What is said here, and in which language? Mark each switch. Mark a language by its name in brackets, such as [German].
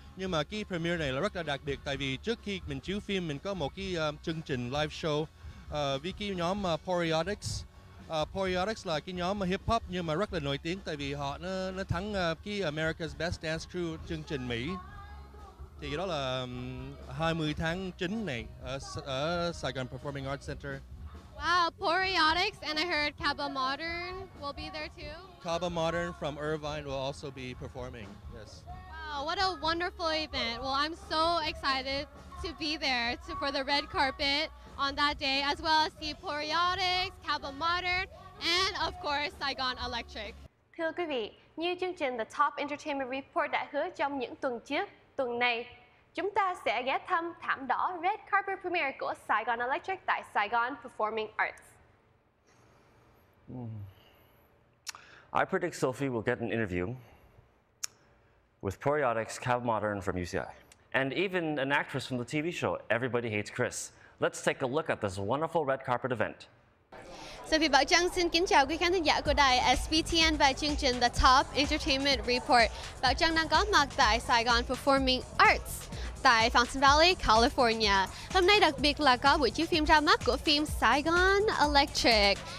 [Vietnamese] Nhưng mà cái premiere này là rất là đặc biệt, tại vì trước khi mình chiếu phim, mình có một cái chương trình live show với cái nhóm Poriotics. Poriotics là cái nhóm hip hop nhưng mà rất là nổi tiếng, tại vì họ nó thắng cái America's Best Dance Crew chương trình Mỹ. Thì đó là 20 tháng 9 này ở Saigon Performing Arts Center. [English] Wow, Poriotics, and I heard Cabba Modern will be there too. Cabba Modern from Irvine will also be performing. Yes. Wow, what a wonderful event. Well, I'm so excited to be there for the red carpet on that day, as well as see Poriotics, Cabba Modern, and of course Saigon Electric. [Vietnamese] Thưa quý vị, như chương trình The Top Entertainment Report đã hứa trong những tuần trước, tuần này chúng ta sẽ ghé thăm thảm đỏ Red Carpet Premiere của Saigon Electric tại Saigon Performing Arts. [English] I predict Sophie will get an interview with Poriotics, Cabba Modern from UCI, and even an actress from the TV show Everybody Hates Chris. Let's take a look at this wonderful red carpet event. [Vietnamese] Sophie Bảo Trang xin kính chào quý khán thính giả của đài SBTN và chương trình The Top Entertainment Report. Bảo Trang đang có mặt tại Saigon Performing Arts tại Fountain Valley, California. Hôm nay đặc biệt là có buổi chiếu phim ra mắt của phim Saigon Electric.